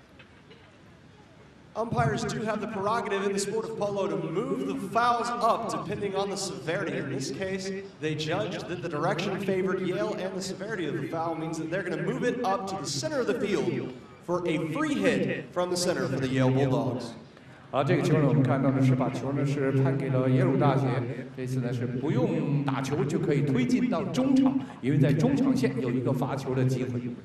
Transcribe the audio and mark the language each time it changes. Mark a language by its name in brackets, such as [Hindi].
[Chinese] 我们看到这个球呢，是一个进攻方，在一个防守的时候出现了一个犯规，就是你两个人面向对方的一个人，这个呢在马球比赛当中也是不允许的一个犯规出现了。 [English] Umpires do have the prerogative in the sport of polo to move the fouls up depending on the severity. In this case, they judged that the direction favored Yale and the severity of the foul means that they're going to move it up to the center of the field for a free hit from the center for the Yale Bulldogs. [Chinese] 这个球呢，我们看到的是把球呢是判给了耶鲁大学。这次呢是不用打球就可以推进到中场，因为在中场线有一个罚球的机会。